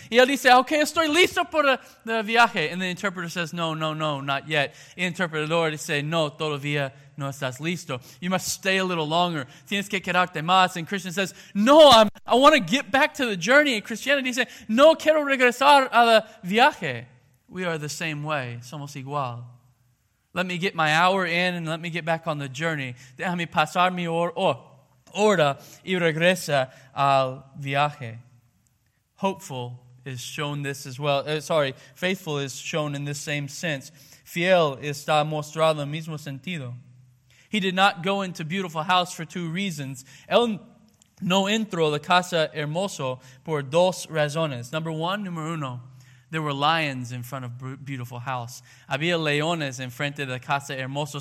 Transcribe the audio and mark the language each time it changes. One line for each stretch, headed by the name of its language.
Spanish: Y él dice, okay, estoy listo para el viaje.
English: And the interpreter says, no, not yet.
Spanish: El interpretador dice, no, todavía no estás listo.
English: You must stay a little longer.
Spanish: Tienes que quedarte más.
English: And Christian says, no, I want to get back to the journey. And Christianity says, no,
Spanish: quiero regresar al viaje.
English: We are the same way.
Spanish: Somos igual.
English: Let me get my hour in and let me get back on the journey.
Spanish: Déjame pasar mi hora y regresa al viaje.
English: Hopeful is shown this as well. Faithful is shown in this same sense.
Spanish: Fiel está mostrado en el mismo sentido.
English: He did not go into beautiful house for two reasons.
Spanish: Él no entró la casa hermoso por dos razones.
English: Number one,
Spanish: número uno,
English: there were lions in front of beautiful house.
Spanish: Había leones en frente de la casa hermoso.